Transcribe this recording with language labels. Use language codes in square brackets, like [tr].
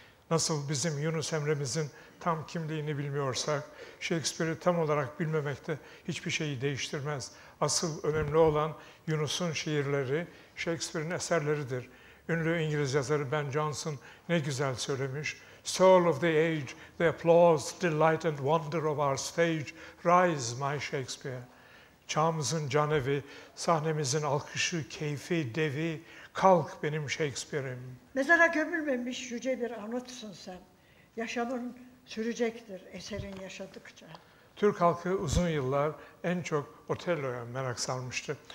[tr] Nasıl bizim Yunus Emre'mizin tam kimliğini bilmiyorsak, Shakespeare'i tam olarak bilmemekte hiçbir şeyi değiştirmez. Asıl önemli olan Yunus'un şiirleri, Shakespeare'in eserleridir. Ünlü İngiliz yazarı Ben Jonson ne güzel söylemiş. [en] Soul of the age, the applause, delight and wonder of our stage, rise my Shakespeare. [tr] Çağımızın canevi, sahnemizin alkışı, keyfi, devi, kalk benim Shakespeare'im. Mezara gömülmemiş yüce bir anıtsın sen. Yaşamın sürecektir eserin yaşadıkça. Türk halkı uzun yıllar en çok Otello'ya merak salmıştı.